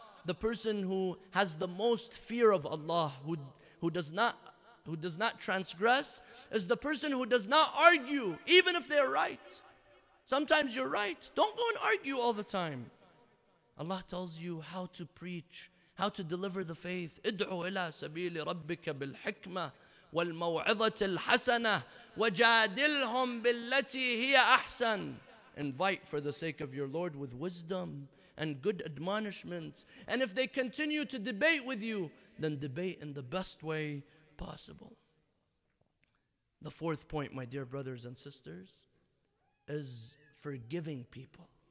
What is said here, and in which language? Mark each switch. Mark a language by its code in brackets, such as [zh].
[en] The person who has the most fear of Allah, who does not transgress, is the person who does not argue, even if they're right. Sometimes you're right. Don't go and argue all the time. Allah tells you how to preach, how to deliver the faith. [ar] ادعو إلى سبيل ربك بالحكمة والموعظة الحسنة وجادلهم بالتي هي أحسن. [en] Invite for the sake of your Lord with wisdom and good admonishments. And if they continue to debate with you, then debate in the best way possible. The fourth point, my dear brothers and sisters, is forgiving people.